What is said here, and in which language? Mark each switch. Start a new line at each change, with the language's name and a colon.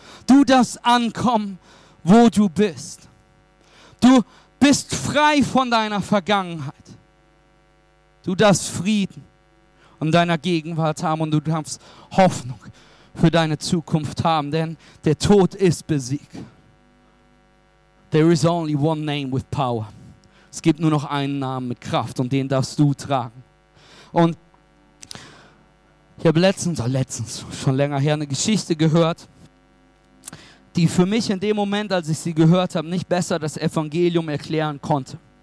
German: Du darfst ankommen, wo du bist. Du bist frei von deiner Vergangenheit. Du darfst Frieden in deiner Gegenwart haben und du darfst Hoffnung für deine Zukunft haben, denn der Tod ist besiegt.
English: There is only one name with power.
German: Es gibt nur noch einen Namen mit Kraft und den darfst du tragen. Und ich habe letztens, schon länger her, eine Geschichte gehört, die für mich in dem Moment, als ich sie gehört habe, nicht besser das Evangelium erklären konnte.